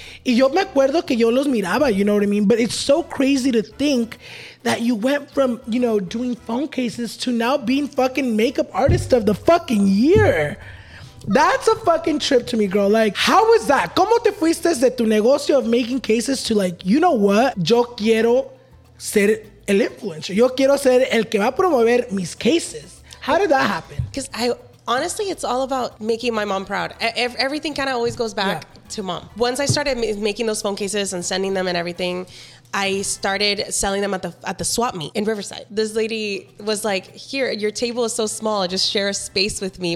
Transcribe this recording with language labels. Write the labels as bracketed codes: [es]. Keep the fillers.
[es] Y yo me acuerdo que yo los miraba, [en] you know what I mean? But it's so crazy to think that you went from, you know, doing phone cases to now being fucking makeup artist of the fucking year. That's a fucking trip to me, girl. Like, how was that? [es] ¿Cómo te fuiste de tu negocio [en] of making cases to like, you know what? [es] Yo quiero ser el influencer. Yo quiero ser el que va a promover mis cases. [en] How did that happen? because I honestly, it's all about making my mom proud. E- ev- everything kind of always goes back Yeah. to mom. Once I started ma- making those phone cases and sending them and everything. I started selling them at the at the swap meet in Riverside. This lady was like, "Here, your table is so small. Just share a space with me."